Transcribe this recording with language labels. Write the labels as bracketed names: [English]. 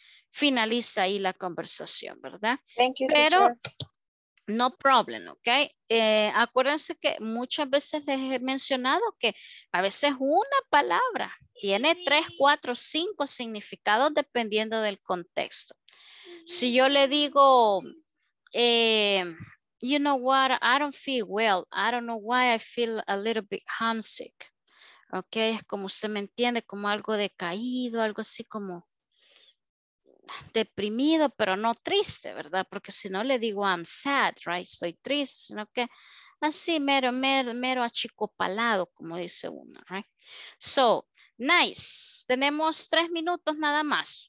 [Spanish] Finaliza ahí la conversación, ¿verdad? [English] Thank you, [Spanish] pero [English] teacher. No problem, ¿ok? [Spanish] Acuérdense que muchas veces les he mencionado que a veces una palabra tiene 3, 4, 5 significados dependiendo del contexto. Si yo le digo, [English] you know what, I don't feel well, I don't know why I feel a little bit homesick, ¿ok? [Spanish] Es como usted me entiende, como algo decaído, algo así como deprimido, pero no triste, ¿verdad? Porque si no le digo [English] I'm sad, right? [Spanish] Estoy triste, sino que así mero achicopalado, como dice uno, [English] right? So, nice. [Spanish] Tenemos 3 minutos nada más.